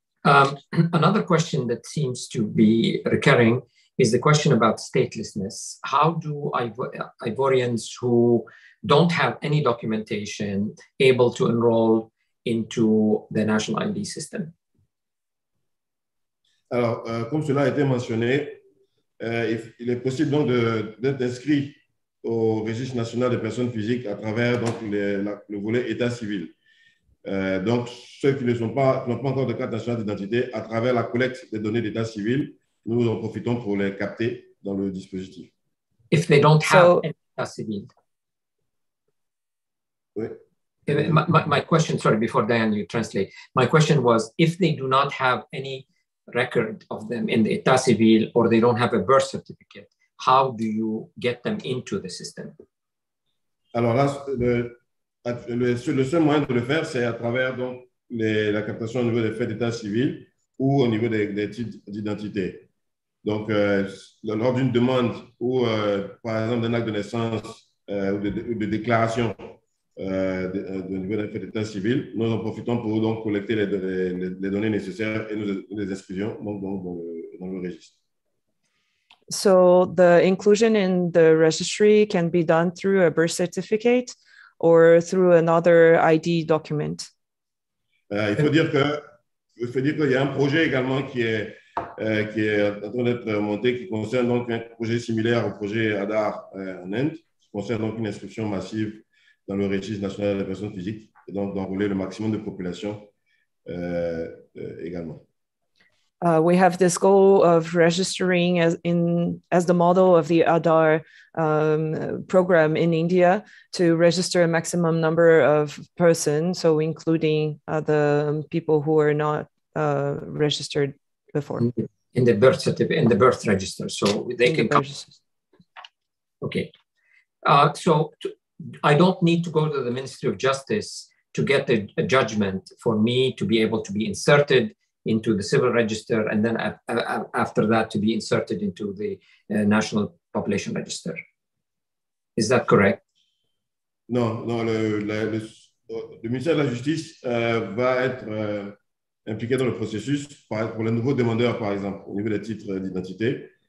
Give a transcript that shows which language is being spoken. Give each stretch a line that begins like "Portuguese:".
English: Another question that seems to be recurring is the question about statelessness. How do Ivorians who don't have any documentation able to enroll into the national ID system?
French: Alors, comme cela a été mentionné, il est possible donc d'être inscrit au registre national des personnes physiques à travers donc le volet état civil. Donc, ceux qui ne sont pas, qui n'ont pas encore de carte nationale d'identité, à travers la collecte des données d'état civil, nous en profitons pour les capter dans le dispositif.
English: If they don't have an état civil.
French: Oui.
English: My question, sorry, before Dan, you translate. My question was, if they do not have any record of them in the état civil or they don't have a birth certificate, how do you get them into the system?
French: Alors là, le seul moyen de le faire, c'est à travers donc la captation au niveau des faits d'état civil ou au niveau des titres d'identité. Donc, lors d'une demande ou, par exemple, d'un acte de naissance ou de déclaration au niveau des faits d'état civil, nous en profitons pour donc collecter les données nécessaires et les inscriptions dans le registre.
English: So, the inclusion in the registry can be done through a birth certificate or through another ID document.
French: Il faut dire qu'il y a un projet également qui est en train d'être monté, qui concerne donc un projet similaire au projet ADAR en Inde, qui concerne donc une inscription massive dans le registre national des personnes physiques, et donc d'enrôler le maximum de population également.
English: We have this goal of registering as the model of the ADAR program in India to register a maximum number of persons, so including the people who are not registered before. In the birth certificate, in the birth register, so they in can the come. Okay. I don't need to go to the Ministry of Justice to get a judgment for me to be able to be inserted into the civil register, and then after that to be inserted into the national population register. Is that correct?
French: Non, le ministère de la Justice va être impliqué dans le processus pour les nouveaux demandeurs, par exemple, au niveau des titres d'identité.